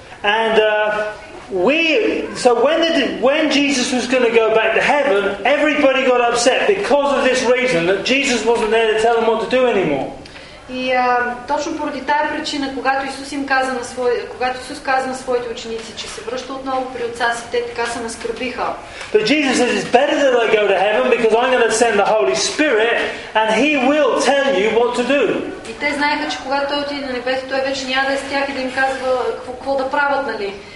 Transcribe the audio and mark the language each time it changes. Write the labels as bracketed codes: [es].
[en] And when Jesus was going to go back to heaven, everybody got upset because of this reason that Jesus wasn't there to tell them what to do anymore. [bg] И точно поради тая причина, когато Исус каза на своите ученици, че се връща отново при отца си, те така се наскърбиха. [en] But Jesus says, "It's better that I go to heaven because I'm going to send the Holy Spirit and he will tell you what to do." [bg] И те знаеха, че когато той отиде на небето, той вече няма да е с тях и да им казва какво да правят, нали?